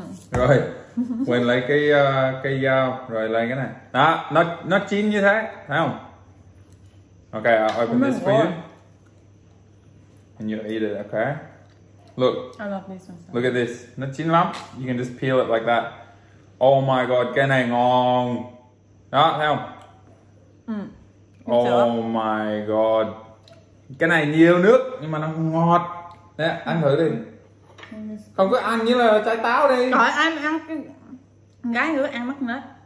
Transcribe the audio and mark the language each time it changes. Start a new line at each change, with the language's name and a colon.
Vietnamese: Rồi quên lấy cái cây dao rồi lấy cái này đó, nó chín như thế, thấy không?
English: Ok, I'll open this for you and you eat it. Ok, look, I love this one. Look at this, nó chín lắm. You can just peel it like that.
Vietnamese: Oh my god, cái này ngon đó, thấy không? Oh my god, cái này nhiều nước nhưng mà nó ngọt nè. Ăn thử đi. Không, cứ ăn như là trái táo đi. Trời, ăn ăn gái nữa ăn mất nết.